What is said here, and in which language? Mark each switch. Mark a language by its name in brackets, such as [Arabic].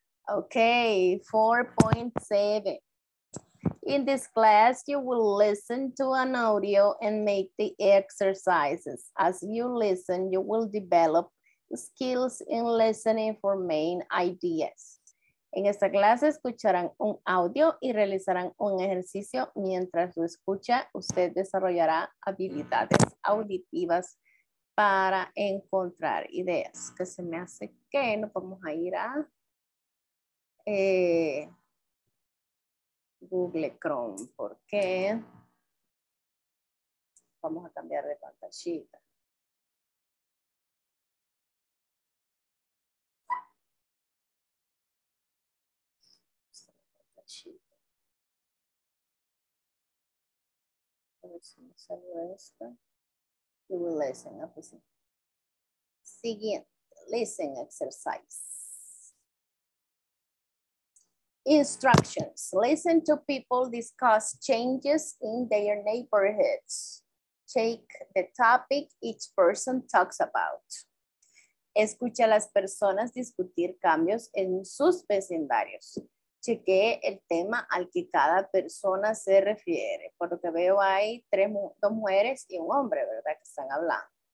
[English] Okay, 4.7. In this class, you will listen to an audio and make the exercises. As you listen, you will develop skills in listening for main ideas. [Spanish] En esta clase, escucharán un audio y realizarán un ejercicio. Mientras lo escucha, usted desarrollará habilidades auditivas para encontrar ideas. Que se me hace que nos vamos a ir a... Google Chrome, ¿por qué? Vamos a cambiar de pantallita. A ver si me salió esta. [English] You will listen, [Spanish] ¿no? Pues sí. [English] Siguiente, listen exercise. Instructions. Listen to people discuss changes in their neighborhoods. Take the topic each person talks about. [Spanish] Escucha a las personas discutir cambios en sus vecindarios. Chequee el tema al que cada persona se refiere. Por lo que veo, hay dos mujeres y un hombre, ¿verdad?, que están hablando.